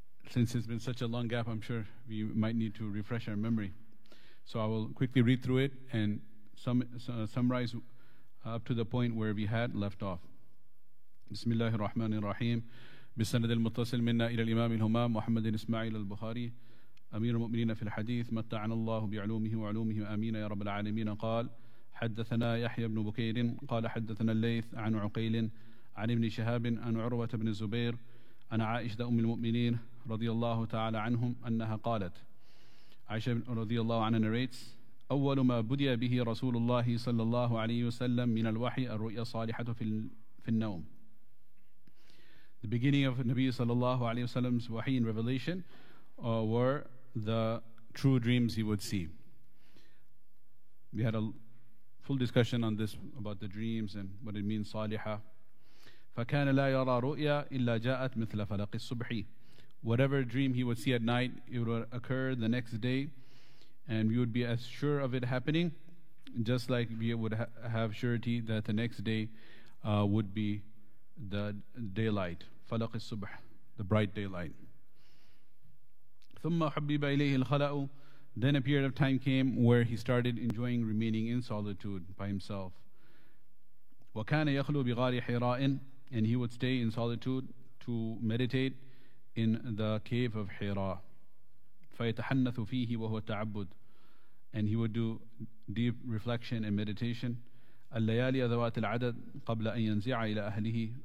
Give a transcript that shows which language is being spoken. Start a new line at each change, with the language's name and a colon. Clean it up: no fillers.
English: Since it's been such a long gap, I'm sure we might need to refresh our memory. So I will quickly read through it and summarize up to the point where we had left off.
Arabic: بسم الله الرحمن الرحيم بسند المتصل منا إلى الإمام الهمام محمد إسماعيل البخاري أمير المؤمنين في الحديث متعنا الله بعلومه وعلومه آمين يا رب العالمين. قال حدثنا يحيى بن بكير قال حدثنا الليث عن عقيل عن ابن شهاب عن عروة بن الزبير أن عائشة أم المؤمنين رضي الله تعالى عنهم أنها قالت عائشة رضي الله عنها
English: narrates
Arabic: أول ما بدي به رسول الله صلى الله عليه وسلم من الوحي الرؤيا الصالحة في النوم.
English: The beginning of Nabi sallallahu alayhi wasallam's wahi and revelation were the true dreams he would see. We had a full discussion on this about the dreams and what it means صالحة.
Arabic: فكان لا يرى رؤيا إلا جاءت مثل فلق الصبح.
English: Whatever dream he would see at night, it would occur the next day, and we would be as sure of it happening, just like we would have surety that the next day would be the daylight, falaq al-subh, the bright daylight.
Arabic: ثُمَّ حُبِّبَ إِلَيْهِ الْخَلَأُ.
English: Then a period of time came where he started enjoying remaining in solitude by himself.
Arabic: وَكَانَ يَخْلُو بِغَارِ حِرَاءٍ.
English: And he would stay in solitude to meditate in the cave of Hira.
Arabic: فَيَتَحَنَّثُ فِيهِ وَهُوَ تَعَبُّدُ.
English: And he would do deep reflection and meditation.
Arabic: الليالي ذوات العدد قبل أن ينزع إلى أهله.